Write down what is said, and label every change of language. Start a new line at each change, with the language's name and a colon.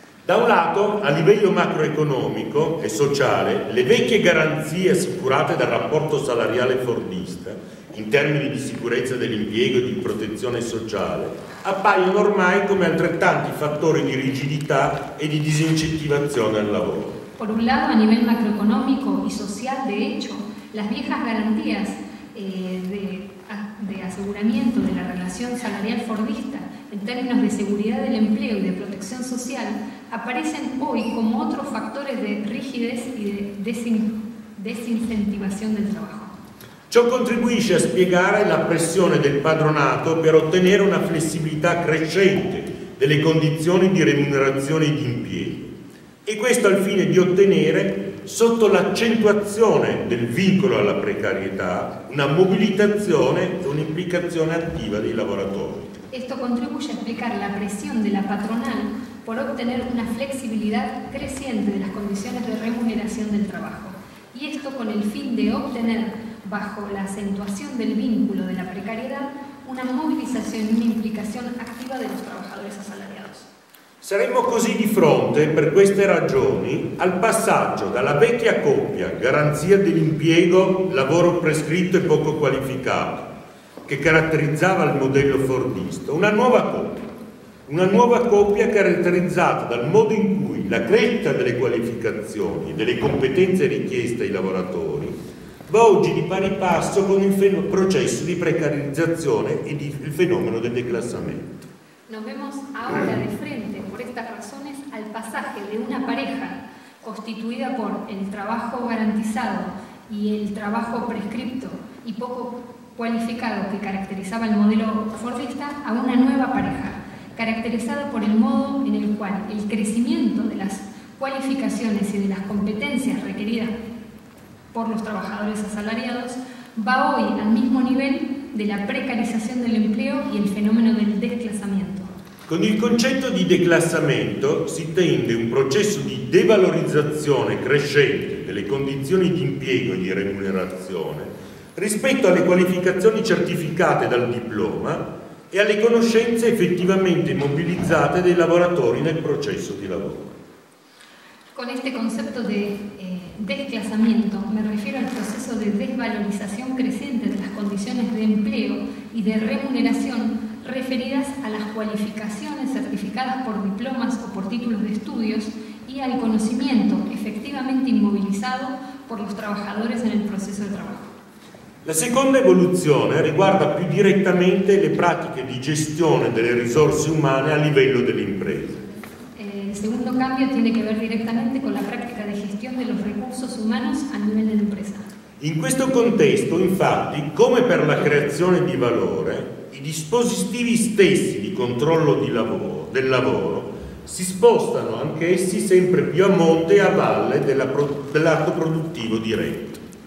Italian: Da un lato, a livello macroeconomico e sociale, le vecchie garanzie assicurate dal rapporto salariale fordista, in termini di sicurezza dell'impiego e di protezione sociale, appaiono ormai come altrettanti fattori di rigidità e di disincentivazione al lavoro.
Spanish: Por un lado,
Italian: a livello macroeconomico e sociale,
Spanish: de hecho, las viejas garantías de aseguramiento de la relación salarial fordista en términos de seguridad del empleo y de protección social aparecen hoy como otros factores de rigidez y de desincentivación del trabajo.
Italian: Ciò contribuisce a spiegare la pressione del padronato per ottenere una flessibilità crescente delle condizioni di remunerazione e di impiego. E questo al fine di ottenere, sotto l'accentuazione del vincolo alla precarietà, una mobilitazione e un'implicazione attiva dei lavoratori.
Spanish: Esto contribuye a explicar la presión de la patronal por obtener una flexibilidad creciente de las condiciones de remuneración del trabajo. Y esto con el fin de obtener, bajo la acentuación del vínculo de la precariedad, una movilización y una implicación activa de los trabajadores asalariados.
Italian: Saremmo così di fronte, per queste ragioni, al passaggio dalla vecchia coppia garanzia dell'impiego, lavoro prescritto e poco qualificato, che caratterizzava il modello fordista, una nuova coppia caratterizzata dal modo in cui la crescita delle qualificazioni e delle competenze richieste ai lavoratori va oggi di pari passo con il processo di precarizzazione e il fenomeno del declassamento.
Spanish: Nos vemos ahora de frente, por estas razones, al pasaje de una pareja constituida por el trabajo garantizado y el trabajo prescripto y poco cualificado que caracterizaba el modelo fordista a una nueva pareja, caracterizada por el modo en el cual el crecimiento de las cualificaciones y de las competencias requeridas por los trabajadores asalariados va hoy al mismo nivel de la precarización del empleo y el fenómeno del desclasamiento.
Italian: Con il concetto di declassamento si intende un processo di devalorizzazione crescente delle condizioni di impiego e di remunerazione rispetto alle qualificazioni certificate dal diploma e alle conoscenze effettivamente mobilizzate dai lavoratori nel processo di lavoro. Con questo concetto di declassamento mi riferisco al processo di devalorizzazione crescente delle condizioni di impiego e di remunerazione
Spanish: referidas a las cualificaciones certificadas por diplomas o por títulos de estudios y al conocimiento efectivamente inmovilizado por los trabajadores en el proceso de trabajo.
Italian: La seconda evoluzione riguarda più direttamente le pratiche di gestione delle risorse umane a livello dell'impresa.
Spanish: El segundo cambio tiene que ver directamente con la práctica de gestión de los recursos humanos a nivel de la empresa.
Italian: In questo contesto, infatti, come per la creazione di valore, i dispositivi stessi di controllo del lavoro si spostano anch'essi sempre più a monte e a valle dell'atto produttivo diretto.